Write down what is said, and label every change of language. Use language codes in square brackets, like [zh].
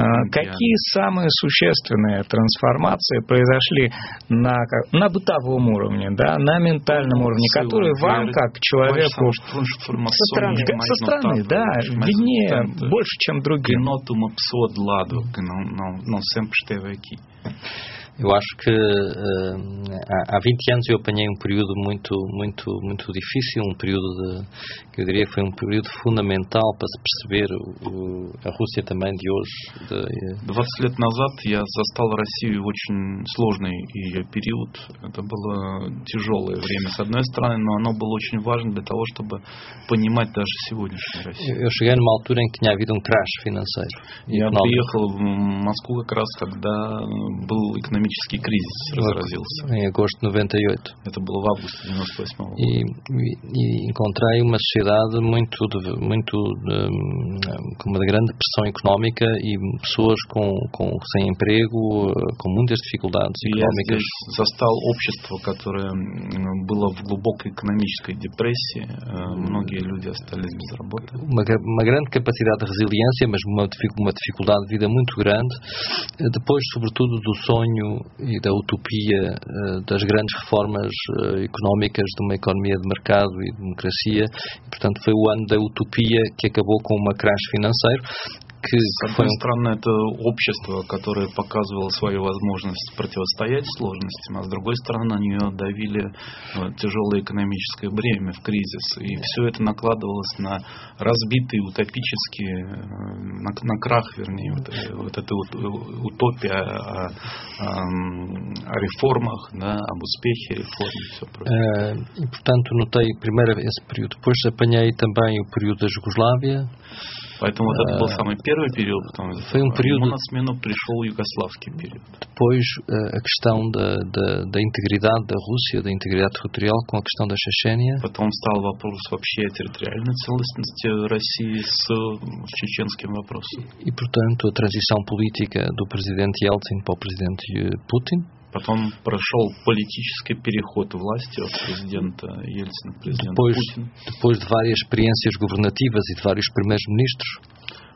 [ru] Какие самые существенные трансформации произошли на бытовом уровне, да, на ментальном уровне, которые вам, как человеку... Со стороны, да, виднее больше, чем другие. Генотума псод ладу, но всем пштевы ки. [pt] Eu acho que há 20 anos eu apanhei um período muito, muito, muito difícil, um período que eu diria que foi um período fundamental para se perceber a Rússia também de hoje. [ru] 20 лет назад я застал Россию в очень сложный период. Это было тяжелое время, с одной стороны, но оно было очень важно для того, чтобы понимать даже сегодняшнюю Россию. [pt] Eu cheguei numa altura em que tinha havido crash financeiro. [ru] Я приехал в Москву как раз, когда был экономический кризис разразился. [pt] Em agosto de 98. [ru] Это было в августе 98-го года. [pt] E encontrei uma sociedade muito, muito com uma grande pressão económica e pessoas sem emprego, com muitas dificuldades económicas. [ru] Застал общество, которое было в глубокой экономической депрессии. Многие люди остались без работы. [pt] Uma grande capacidade de resiliência, mas uma dificuldade de vida muito grande. Depois, sobretudo, do sonho e da utopia das grandes reformas económicas, de uma economia de mercado e democracia. Portanto, foi o ano da utopia que acabou com uma crash financeira. [ru] С одной стороны, это общество, которое показывало свою возможность противостоять сложностям, а с другой стороны, на нее давили тяжелое экономическое бремя в кризис. И все это накладывалось на разбитый утопический, на крах, вернее, вот эта утопия о реформах, да, об успехе реформ и все прочее. [pt] Portanto, notei primeiro esse período. Depois apanhei também o período da Jugoslávia. [ru] Поэтому вот это был самый первый период, потом [pt] foi um período... [ru] на смену пришел югославский период. [pt] Depois a questão da integridade da Rússia, da integridade territorial com a questão da Chechênia. [ru] Потом стал вопрос вообще о территориальной целостности России с чеченским вопросом. [pt] И, portanto, a transição política do presidente Yeltsin para o presidente Putin. [ru] Потом прошел политический переход власти от президента Ельцина к президенту Путину. [pt] Depois de várias experiências governativas e de vários primeiros-ministros.